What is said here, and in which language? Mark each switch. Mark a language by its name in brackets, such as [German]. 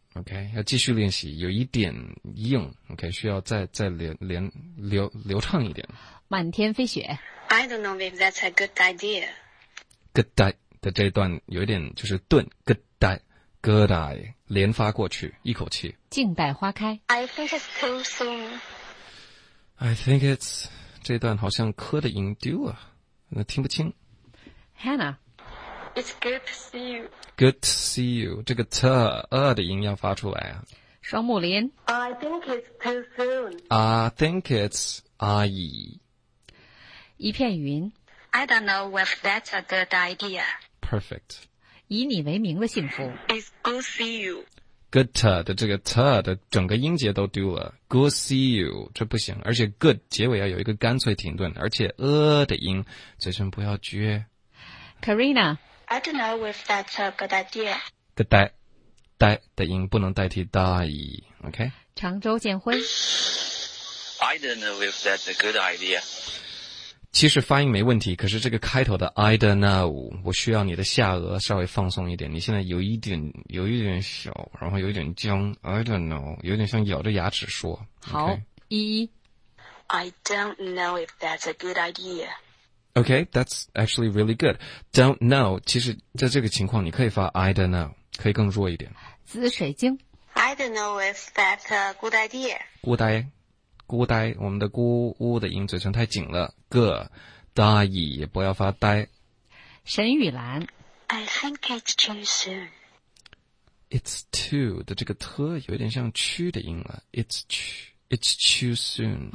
[Chinese] OK, 要继续练习，有一点硬。OK, 需要再连流畅一点。满天飞雪。 [English] I don't know if that's a good idea. [Chinese] Good idea 的这一段有一点就是顿 good idea, good idea 连发过去，一口气。静待花开。 [English] I think it's too soon. [Chinese] I think it's 这段好像磕的音丢啊，那听不清。 Hannah。 [English] It's good to see you. Good to see you. [Chinese] 这个 t 的音要发出来啊。双木林。 [English] I think it's too soon. I think it's 阿姨。 [Chinese] 一片云。 [English] I don't know if that's a good idea. Perfect. [Chinese] 以你为名的幸福。 [English] It's good to see you. [Chinese] Good to 的这个 t 的整个音节都丢了。Good to see you. 这不行。而且 good 结尾要有一个干脆停顿。而且的音嘴唇不要撅。 Karina。 [English] I don't know if that's a good idea. [Chinese] Good day. [English] Day 的音不能代替 die. OK? [Chinese] 常州建辉。 [English] I don't know if that's a good idea. [Chinese] 其实发音没问题，可是这个开头的 [English] I don't know, [Chinese] 我需要你的下颚稍微放松一点。你现在有一点小，然后有一点僵。 [English] I don't know, [Chinese] 有点像咬着牙齿说。好。 [English] Okay? [Chinese] 一。 [English] I don't know if that's a good idea. Okay, that's actually really good. Don't know, [Chinese] 其实在这个情况你可以发 [English] I don't know, 可以更弱一点。 [Chinese] 紫水晶。 [English] I don't know if that's a good idea. [Chinese] 孤呆。孤呆，我们的孤呜的音嘴唇太紧了。个大意也不要发呆。沈雨兰。 [English] I think it's too soon. [Chinese] It's too 的这个特有点像去的音了。 [English] It's too. It's too soon.